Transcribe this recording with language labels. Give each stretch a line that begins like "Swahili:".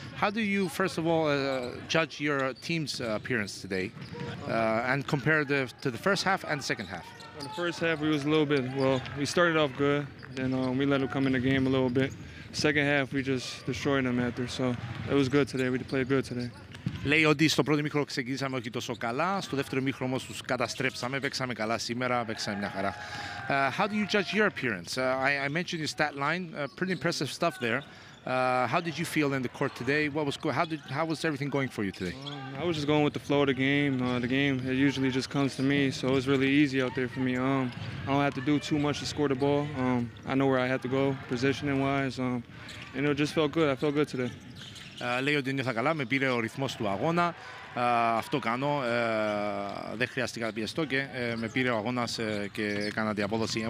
English: How do you, first of all, judge your team's appearance today and compare to the first half and the second half? In the first half, it was a little bit, well, we started off good. Then we let them come in the game a little bit. Second half, we just destroyed them after. So it was good today. We played good today.
Greek: Λέει ότι στο πρώτο μήχρο ξεκινήσαμε όχι τόσο καλά. Στο δεύτερο μήχρο όμως τους καταστρέψαμε. Παίξαμε καλά σήμερα. Παίξαμε μια χαρά.
English: How do you judge your appearance? I mentioned your stat line. Pretty impressive stuff there. How did you feel in the court today? How was everything going for you today? I was just going with the flow of the game. The game, it usually just comes to me, so it was really easy out there for me. I don't have to do too much to score the ball. I know where I have to go, positioning-wise, and it just felt good. I felt good today.
Greek: Λέει ότι νιώθα καλά, με πήρε ο ρυθμός του αγώνα. Αυτό κάνω, δεν χρειάστηκα να πιεστώ και με πήρε ο αγώνας και έκανα την απόδοση.